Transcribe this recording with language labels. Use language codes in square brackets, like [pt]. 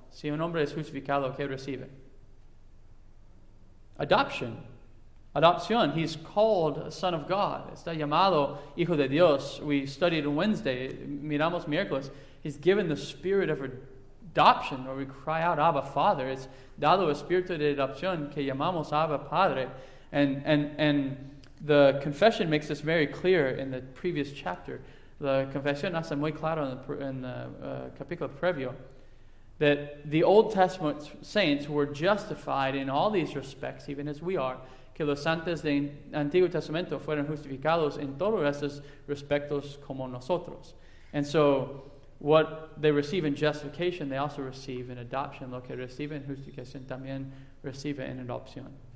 [es] Si un hombre es justificado, ¿qué recibe? [en] Adoption. Adopción. He's called a son of God. [es] Está llamado hijo de Dios. [en] We studied on Wednesday. [es] Miramos miércoles. [en] He's given the spirit of adoption, where we cry out, Abba, Father. [es] Es dado espíritu de adopción que llamamos Abba, Padre. [en] And the confession makes this very clear in the previous chapter. The confession [es] hace muy claro en el capítulo previo [en] that the Old Testament saints were justified in all these respects, even as we are. [es] Que los santos del Antiguo Testamento fueron justificados en todos estos respectos como nosotros. [en] And so, what they receive in justification, they also receive in adoption. [es] Lo que reciben en justificación también reciben en adopción.